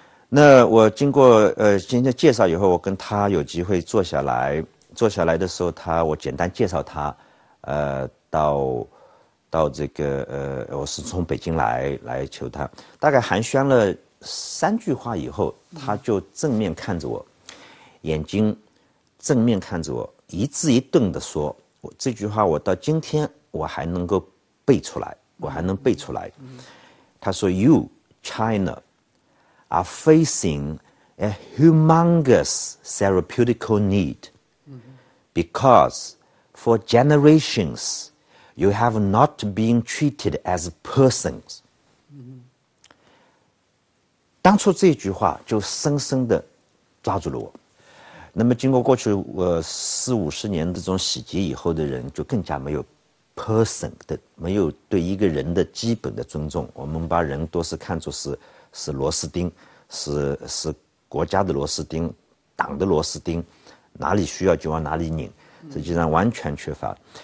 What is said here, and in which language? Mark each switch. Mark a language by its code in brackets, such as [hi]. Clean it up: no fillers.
[zh] 那我经过今天介绍以后，我跟他有机会坐下来的时候，我简单介绍他到这个我是从北京来求他，大概寒暄了三句话以后，他就正面看着我，眼睛正面看着我，一字一顿地说，我这句话我到今天我还能够背出来，我还能背出来。 [en] 他说 You China are facing a humongous therapeutical need because for generations you have not been treated as persons。 [zh] 当初这句话就深深地抓住了我。那么经过过去四五十年的这种洗涤以后的人就更加没有 person 的，没有对一个人的基本的尊重，我们把人都是看作是螺丝钉，是国家的螺丝钉，党的螺丝钉，哪里需要就往哪里拧，实际上完全缺乏。